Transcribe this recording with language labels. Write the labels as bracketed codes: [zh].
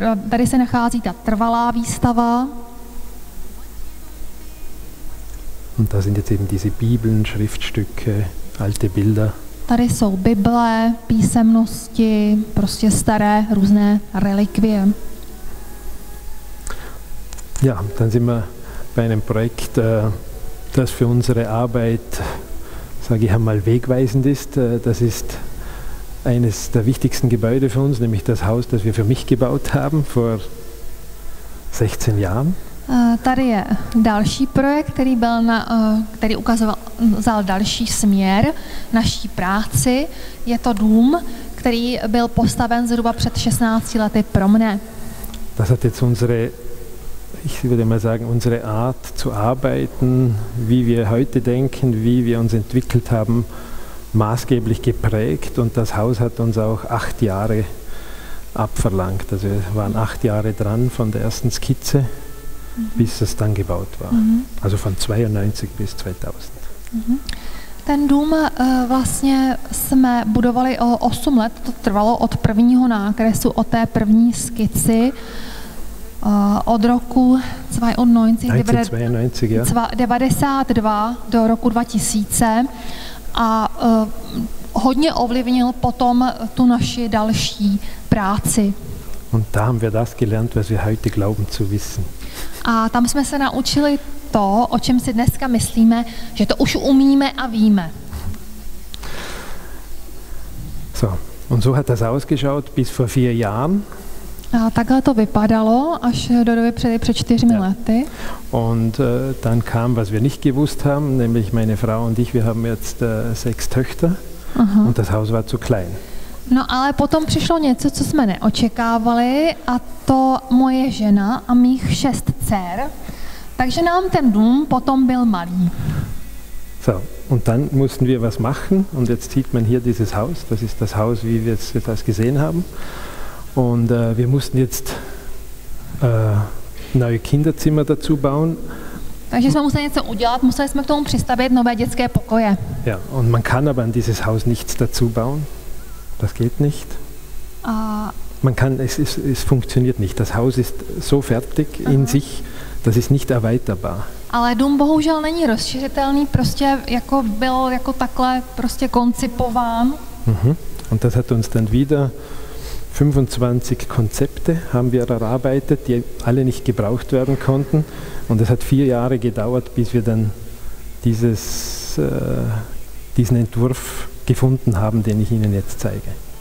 [cs] Tady se nachází ta trvalá výstava. [de] Und da sind jetzt eben diese Bibeln, Schriftstücke, alte Bilder. [cs] Tady jsou Bible, písemnosti, prostě staré různé relikvie. [de] Ja, dann sind wir bei einem Projekt, das für unsere Arbeit, sage ich einmal, wegweisend ist. Das ist eines der wichtigsten Gebäude für uns, nämlich das Haus, das wir für mich gebaut haben vor 16 Jahren. [cs] Tady je další projekt, který ukazoval další směr naší práci. Je to dům, který byl postaven zhruba před 16 lety pro mne. [de] Das hat jetzt unsere, ich würde mal sagen, unsere Art zu arbeiten, wie wir heute denken, wie wir uns entwickelt haben, maßgeblich geprägt und das Haus hat uns auch 8 Jahre abverlangt. Also wir waren 8 Jahre dran von der ersten Skizze, bis es dann gebaut war. Also von 92 bis 2000. [cs] Ten dům vlastně jsme budovali o 8 let, to trvalo od prvního nákresu, od té první skici, od roku 1992 do roku 2000 a hodně ovlivnil potom tu naši další práci. [de] Und da haben wir das gelernt, was wir heute glauben zu wissen. [cs] A tam jsme se naučili to, o čem si dneska myslíme, že to už umíme a víme. [de] So, und so hat das ausgeschaut bis vor 4 Jahren. [cs] A takhle to vypadalo až do doby před 4 ja. lety. [de] Und dann kam, was wir nicht gewusst haben, nämlich meine Frau und ich, wir haben jetzt 6 Töchter. Aha. Und das Haus war zu klein. [cs] No, ale potom přišlo něco, co jsme neočekávali, a to moje žena a mých 6 dcer. Takže nám ten dům potom byl malý. [de] So, und dann mussten wir was machen und jetzt sieht man hier dieses Haus, das ist das Haus, wie wir es jetzt gesehen haben. Und wir mussten jetzt neue Kinderzimmer dazu bauen. [cs] Takže jsme museli něco udělat, museli jsme k tomu přistavit nové dětské pokoje. [de] Ja, und man kann aber an dieses Haus nichts dazu bauen. Das geht nicht. Man kann, es funktioniert nicht. Das Haus ist so fertig in sich, das ist nicht erweiterbar. [cs] Ale dům bohužel není rozšiřitelný, prostě jako byl jako takhle prostě koncipován. [de] Und das hat uns dann wieder 25 Konzepte haben wir erarbeitet, die alle nicht gebraucht werden konnten. Und es hat 4 Jahre gedauert, bis wir dann diesen Entwurf gefunden haben, den ich Ihnen jetzt zeige.